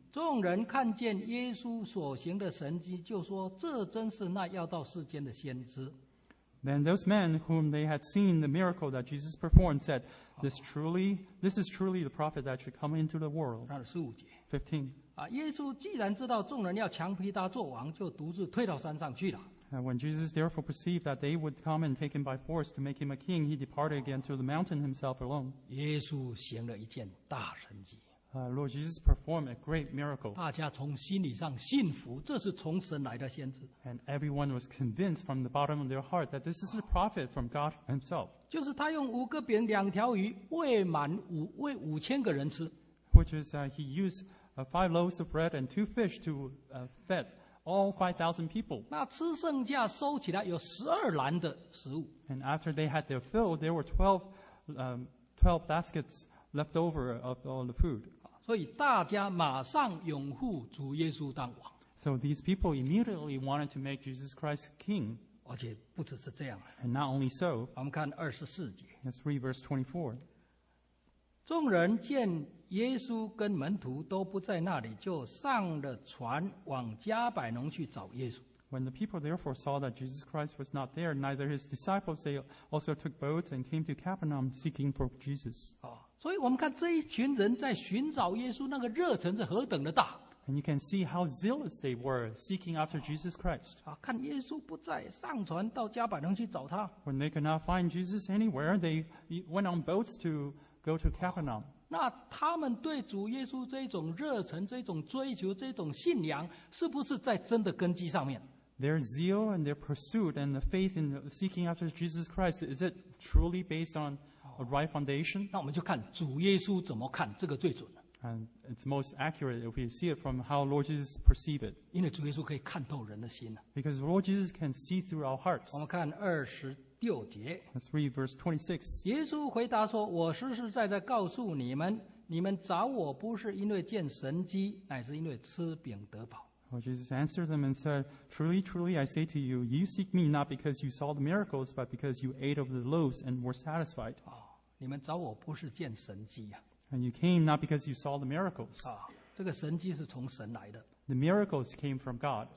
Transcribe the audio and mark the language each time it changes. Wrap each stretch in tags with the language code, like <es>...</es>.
<zh>众人看见耶稣所行的神迹，就说：“这真是那要到世间的先知。”</zh> <en>Then those men whom they had seen the miracle that Jesus performed said, This is truly the prophet that should come into the world. 15.</en> <zh>耶稣既然知道众人要强逼他做王，就独自退到山上去了。</zh> <en>And when Jesus therefore perceived that they would come and take him by force to make him a king, he departed again to the mountain himself alone.</en> <zh>耶稣行了一件大神迹。</zh> <en>Lord Jesus performed a great miracle.</en> <zh>大家从心理上信服，这是从神来的先知。</zh> <en>And everyone was convinced from the bottom of their heart that this is a prophet from God Himself.</en> <zh>就是他用五个饼两条鱼喂五千个人吃。</zh> <en>Which is he used five loaves of bread and two fish to feed all 5,000 people.</en> <zh>那吃剩下收起来有十二篮的食物。</zh> <en>And after they had their fill, there were 12 baskets. Leftover of all the food.</en> <zh>所以大家马上拥护主耶稣当王。</zh> <en>So these people immediately wanted to make Jesus Christ king.</en> <zh>而且不只是这样。</zh> <en>And not only so.</en> <zh>我们看二十四节。</zh> <en>Let's read verse 24.</en> <zh>众人见耶稣跟门徒都不在那里，就上了船往加百农去找耶稣。</zh> <en>When the people therefore saw that Jesus Christ was not there, neither his disciples, they also took boats and came to Capernaum seeking for Jesus.</en> <zh>所以我们看这一群人在寻找耶稣那个热忱是何等的大。</zh> <en>And you can see how zealous they were seeking after Jesus Christ.</en> <zh>看耶稣不在，上船到加百农去找他。</zh> <en>When they could not find Jesus anywhere, they went on boats to go to Capernaum.</en> <zh>那他们对主耶稣这种热忱、这种追求、这种信仰，是不是在真的根基上面？</zh> <en>Their zeal and their pursuit and the faith in seeking after Jesus Christ, is it truly based on a right foundation?</en> <zh>那我们就看主耶稣怎么看这个最准。</zh> <en>And it's most accurate if you see it from how Lord Jesus perceived it.</en> <zh>因为主耶稣可以看透人的心。</zh> <en>Because Lord Jesus can see through our hearts.</en> <zh>我们看二十六节。</zh> <en>Let's read verse 26.</en> <zh>耶稣回答说：“我实实在在告诉你们，你们找我不是因为见神迹，乃是因为吃饼得饱。”</zh> <en>Well, Jesus answered them and said, Truly, truly, I say to you, you seek me not because you saw the miracles, but because you ate of the loaves and were satisfied.</en> <zh>你们找我不是见神迹啊。</zh> <en>And you came not because you saw the miracles.</en> <zh>这个神迹是从神来的。</zh> <en>The miracles came from God.</en>